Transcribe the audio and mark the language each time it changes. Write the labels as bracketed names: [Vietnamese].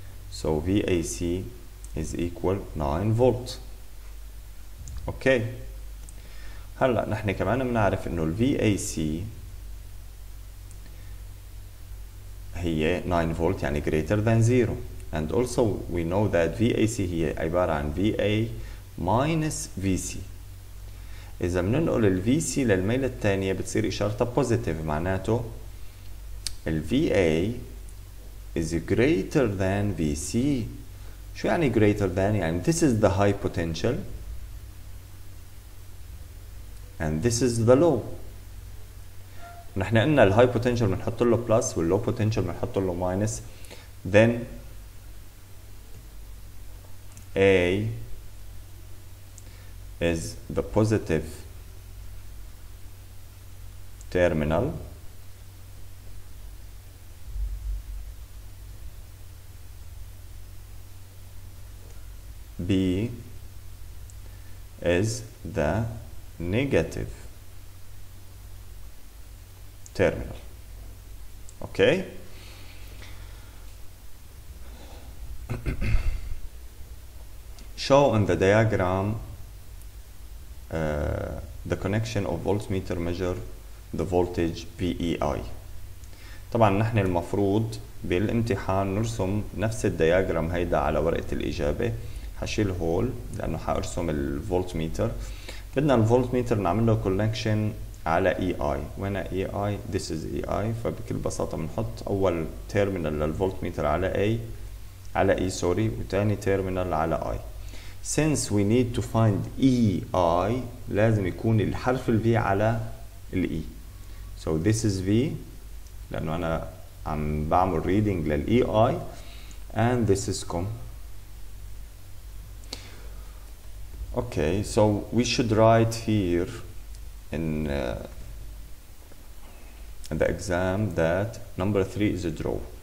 [English] So VAC is equal 9 volt. Okay. [Arabic] هلا نحن كمان بنعرف انه ال VAC هي 9 volt يعني [English] greater than 0. And also we know that VAC [Arabic] هي عبارة عن [English] VA minus VC. [Arabic] إذا بننقل ال VC للميلة الثانية بتصير إشارتها positive، معناته ال VA [English] is greater than VC. [Arabic] شو يعني [English] greater than؟ [Arabic] يعني [English] this is the high potential and this is the low. [Arabic] نحن قلنا ال high potential بنحط له plus وال low potential بنحط له minus. [English] then A is the positive terminal B is the negative terminal. Okay. Show in the diagram the connection of voltmeter measure the voltage VEI. [Arabic] طبعا نحن المفروض بالامتحان نرسم نفس الدياجرام هيدا على ورقة الإجابة. هشيل هول لانه حارسم الفولت ميتر. بدنا الفولت ميتر نعمل له كونكشن على اي اي. وين اي اي؟ [English] This is A A. [Arabic] فبكل بساطه بنحط اول تيرمينال للفولت ميتر على اي، على اي سوري، وثاني تيرمينال على اي. [English] since we need to find A A, [Arabic] لازم يكون الحرف الفي على الاي. [English] so this is V, [Arabic] لانه انا عم بعمل ريدنج للاي اي، [English] And this is come. Okay, so we should write here in the exam that number 3 is a draw.